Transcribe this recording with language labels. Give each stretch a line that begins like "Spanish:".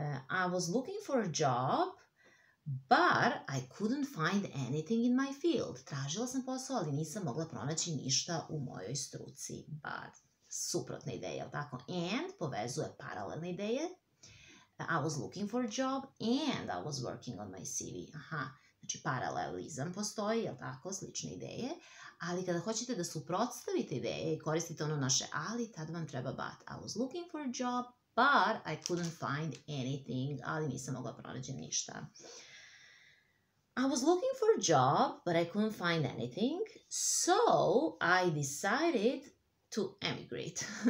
English: I was looking for a job, but I couldn't find anything in my field.
Serbian: Tražila sam posao, ali nisam mogla pronaći ništa u mojoj struci. But, suprotna ideja, jel tako? And povezuje paralelne ideje.
English: I was looking for a job and I was working on my CV. Aha.
Serbian: Znači, paralelizam postoji, jel tako, slične ideje, ali kada hoćete da suprotstavite ideje i koristite ono naše ali, tad vam treba but.
English: I was looking for a job, but I couldn't find anything,
Serbian: ali nisam mogla pronaći ništa.
English: I was looking for a job, but I couldn't find anything, so I decided to emigrate.